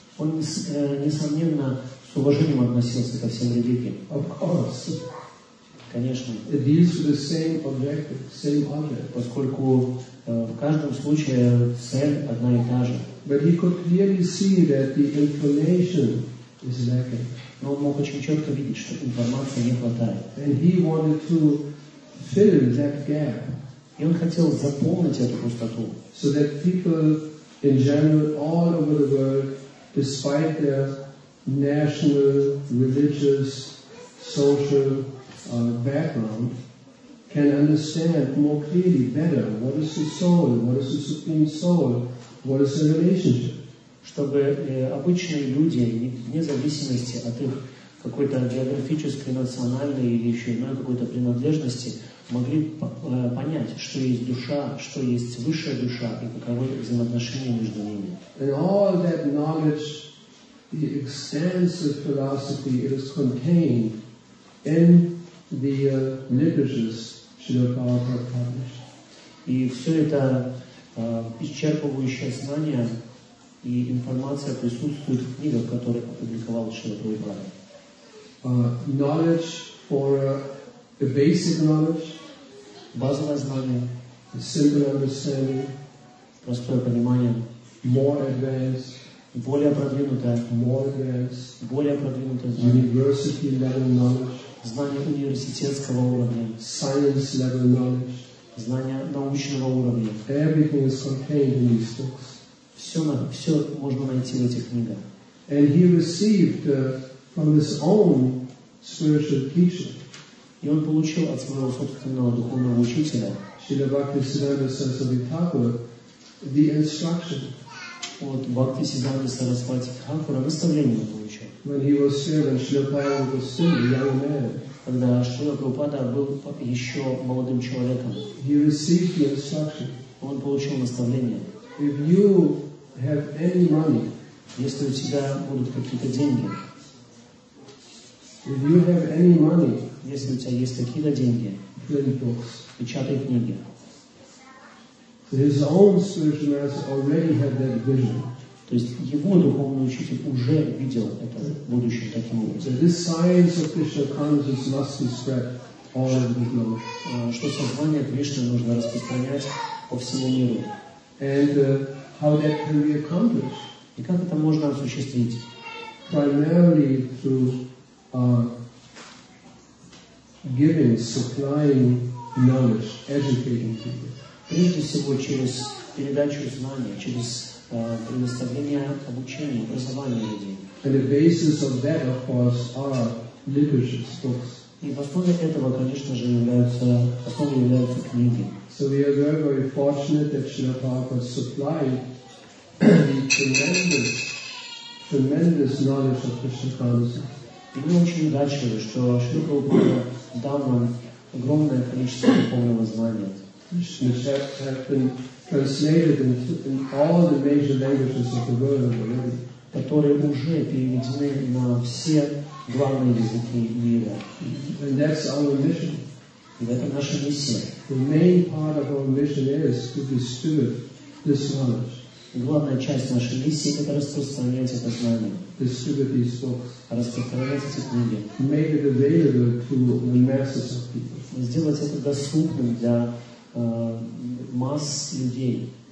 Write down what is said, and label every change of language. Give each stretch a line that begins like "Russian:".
Russian: Он, несомненно, с уважением относился ко всем религиям.
English: Of course.
Russian: Конечно.
English: It deals with the same objective, same object.
Russian: Поскольку в каждом случае цель одна и та же.
English: But he could clearly see that the information is lacking.
Russian: Но он мог очень четко видеть, что информации не хватает.
English: And he wanted to fill that gap.
Russian: И он хотел заполнить эту пустоту.
English: So that people in general all over the world, despite their national, religious, social background, can understand more clearly, better, what is the soul, what is the supreme soul, what is the relationship.
Russian: Чтобы обычные люди, вне зависимости от их какой-то географической, национальной или еще иной какой-то принадлежности, могли понять, что есть душа, что есть высшая душа и каково взаимоотношение между ними.
English: And all that knowledge, the extensive philosophy, it is contained in the literatures Srila Prabhupada published.
Russian: И все это исчерпывающее знание и информация присутствует в книгах, которые опубликовал Шрила Прабхупада.
English: Knowledge for the basic knowledge,
Russian: базовое знание,
English: a simple understanding,
Russian: простое понимание,
English: more advanced,
Russian: более продвинутое,
English: more advanced,
Russian: более продвинутое знание,
English: university level knowledge,
Russian: знание университетского уровня,
English: science level knowledge,
Russian: знание научного уровня.
English: Everything is contained in these books.
Russian: Все можно найти в этих книгах.
English: And he received from his own spiritual teacher.
Russian: И он получил от своего собственного духовного учителя,
English: Шрила Бхактисиддханта Сарасвати Тхакура, the instruction.
Russian: От Бхактисиддханта Сарасвати Тхакура наставление он получил.
English: When he was still, and Шрила Прабхупада was still a young man.
Russian: Когда Шрила Прабхупада был еще молодым человеком,
English: he received the instruction.
Russian: Он получил наставление.
English: If you have any money,
Russian: если у тебя будут какие-то деньги,
English: if you have any money,
Russian: если у тебя есть какие-то деньги, печатай книги.
English: His own spiritual master already had that vision.
Russian: То есть его духовный учитель уже видел это будущее таким образом.
English: This science of Krishna consciousness must be spread all over the globe.
Russian: Что сознание Кришны нужно распространять по всему миру.
English: And how that can be accomplished?
Russian: И как это можно осуществить?
English: Primarily through giving, supplying knowledge, educating people.
Russian: Прежде всего через передачу знаний, через предоставление обучения, образования людей.
English: And the basis of that, of course, are literature books.
Russian: И в основе этого, конечно же, являются книги.
English: So we are very, very fortunate that Srila Prabhupada supplied the tremendous knowledge of Krishna consciousness.
Russian: И мы очень удачливы, что Шрила Прабхупада дал нам огромное количество духовного знания.
English: Krishna texts have been translated in all the major languages of the world already.
Russian: Которые уже переведены на все главные языки мира.
English: And that's our mission.
Russian: И это наша миссия.
English: The main part of our mission is to distribute this knowledge.
Russian: Главная часть нашей миссии — это распространять это знание. Распространять эти книги.
English: Make it available to the masses of people.
Russian: Сделать это доступным для масс людей.